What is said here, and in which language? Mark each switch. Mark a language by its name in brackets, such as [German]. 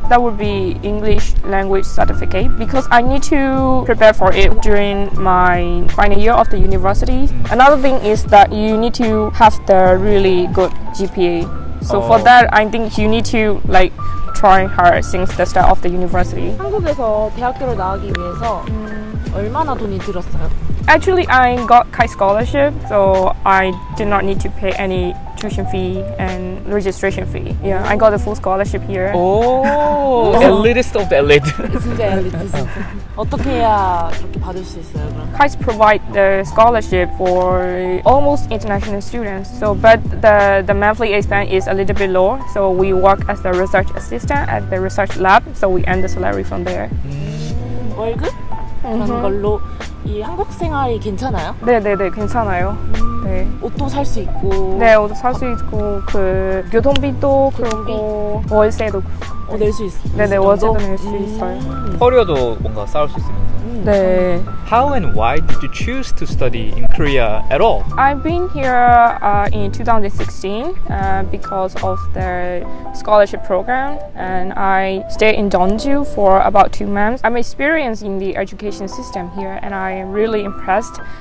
[English] That would be English language certificate, because I need to prepare for it during my final year of the university. Another thing is that you need to have the really good GPA. So for that, I think you need to like try hard since the start of the university. [Korean] 한국에서 대학교를 나가기 위해서 얼마나 돈이 들었어요? [English] Actually, I got KAIST scholarship, so I did not need to pay any tuition fee and registration fee. Yeah, I got a full scholarship here. Oh, elitist of the elite. [Korean] 진짜 elitist. 어떻게 해야 그렇게 받을 수 있어요? [English] KAIST provide the scholarship for almost international students. So, but the monthly expense is a little bit low. So we work as a research assistant at the research lab. So we earn the salary from there. [Korean] 월급? 그런 걸로 이 한국 생활이 괜찮아요? 네네네 괜찮아요. 네. 옷도 살 수 있고. 네 옷도 살 수 있고 그 교통비도 그리고 월세도. 낼 수 있어. 네네 월세도 낼 수 있어요. 커리어도 뭔가 쌓을 수 있습니다. 네. [English] How and why did you choose to study in Korea at all? I've been here in 2016 because of their scholarship program, and I stayed in Jeonju for about 2 months. I'm experienced in the education system here, and I'm really impressed.